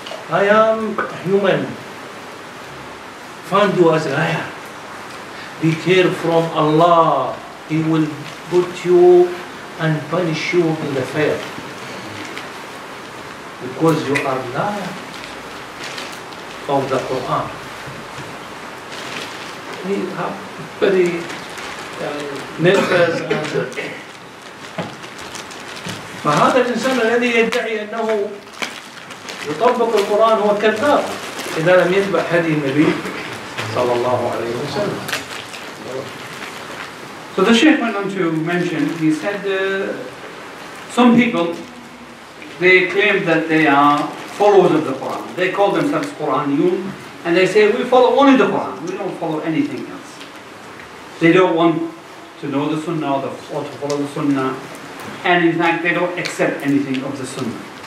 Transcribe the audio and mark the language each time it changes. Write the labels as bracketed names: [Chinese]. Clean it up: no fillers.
[English] I am a human. Find you as I am. Be careful from Allah. He will put you and punish you in the fire. Because you are liar of the Quran. He have very nervous and [Arabic] فهذا الإنسان الذي يدعي أنه يطبق القرآن هو كذاب إذا لم يتبع هدي النبي صلى الله عليه وسلم. [English] So the Sheikh went on to mention, he said, some people, they claim that they are followers of the Quran. They call themselves Quraniyun, and they say, we follow only the Quran, we don't follow anything else. They don't want to know the Sunnah or to follow the Sunnah, and in fact, they don't accept anything of the Sunnah.